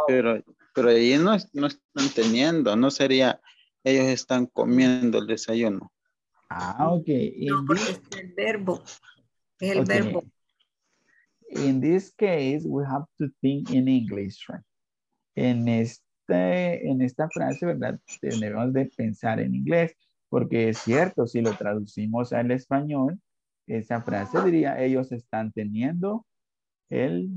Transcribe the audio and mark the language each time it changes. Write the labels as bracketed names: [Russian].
[Spanish] Pero ahí no están teniendo, no sería, ellos están comiendo el desayuno. Ah, ok. Es el verbo. [English] In this case, we have to think in English, right? [Spanish] En esta frase, ¿verdad? Tenemos de pensar en inglés. Porque es cierto, si lo traducimos al español, esa frase diría, ellos están teniendo el